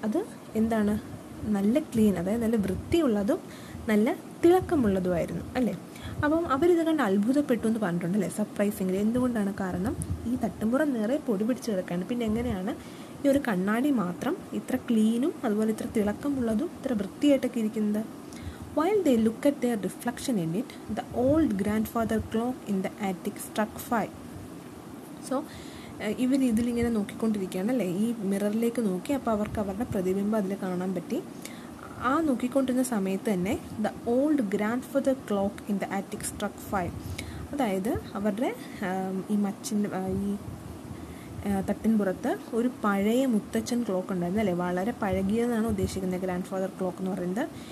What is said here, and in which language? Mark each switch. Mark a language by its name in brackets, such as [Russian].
[Malayalam] അത് എന്താണ്, നല്ല ക്ലീൻ, അതായത് നല്ല വൃത്തിയുള്ളതും നല്ല തിളക്കമുള്ളതുമായിരുന്നു അല്ലേ. അപ്പം അവരിത് കണ്ട് അത്ഭുതപ്പെട്ടു എന്ന് പറഞ്ഞിട്ടുണ്ടല്ലേ, സർപ്രൈസിംഗ്ലി. എന്തുകൊണ്ടാണ്? കാരണം ഈ തട്ടിൻപുറം നിറയെ പൊടി പിടിച്ച് കിടക്കുകയാണ്. പിന്നെ എങ്ങനെയാണ് ഈ ഒരു കണ്ണാടി മാത്രം ഇത്ര ക്ലീനും അതുപോലെ ഇത്ര തിളക്കമുള്ളതും ഇത്ര വൃത്തിയായിട്ടൊക്കെ ഇരിക്കുന്നത്? [English] While they look at their reflection in it, the old grandfather clock in the attic struck 5. [Malayalam] So, ഇവർ ഇതിലിങ്ങനെ നോക്കിക്കൊണ്ടിരിക്കുകയാണ് അല്ലേ, ഈ മിററിലേക്ക് നോക്കി. അപ്പോൾ അവർക്ക് അവരുടെ പ്രതിബിംബം അതിൽ കാണാൻ പറ്റി. ആ നോക്കിക്കൊണ്ടിരുന്ന സമയത്ത് തന്നെ [English] The old grandfather clock in the attic struck 5. [Malayalam] അതായത് അവരുടെ ഈ മച്ചിൻ്റെ ഈ തട്ടിൻപുറത്ത് ഒരു പഴയ മുത്തച്ഛൻ ക്ലോക്ക് ഉണ്ടായിരുന്നു അല്ലേ, വളരെ പഴകിയതാണ് ഉദ്ദേശിക്കുന്നത് ഗ്രാൻഡ് ഫാദർ ക്ലോക്ക് എന്ന് പറയുന്നത്.